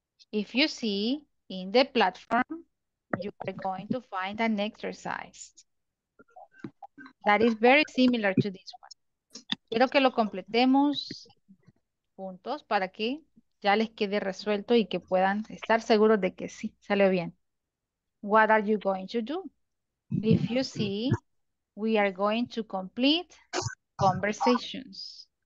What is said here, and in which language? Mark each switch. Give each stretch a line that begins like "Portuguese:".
English: If you see in the platform, you are going to find an exercise. That is very similar to this one.
Spanish: Quiero que lo completemos juntos para que ya les quede resuelto y que puedan estar seguros de que sí, salió bien.
English: What are you going to do? If you see, we are going to complete conversations.